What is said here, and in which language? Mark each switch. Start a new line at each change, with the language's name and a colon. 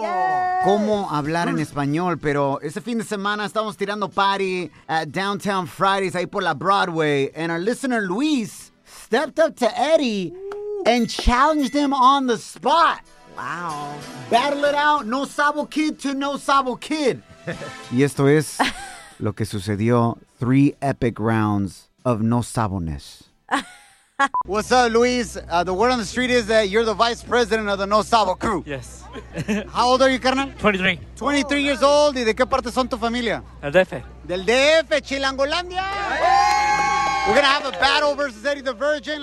English: Yes.
Spanish: ¿Cómo hablar en español? Pero ese fin de semana estamos tirando party at Downtown Fridays, ahí por la Broadway.
English: And our listener, Luis, stepped up to Eddie and challenged him on the spot. Wow. Battle it out, No Sabo Kid to No Sabo Kid.
Spanish: Y esto es lo que sucedió,
English: 3 epic rounds of No Sabo-ness. What's up, Luis? The word on the street is that you're the vice president of the No Sabo crew. Yes. How old are you, carnal? 23. 23 oh, years nice. Old.
Spanish: ¿Y de qué parte son tu familia? El DF. Del DF, Chilangolandia.
English: Yeah. We're going to have a battle versus Eddie the Virgin.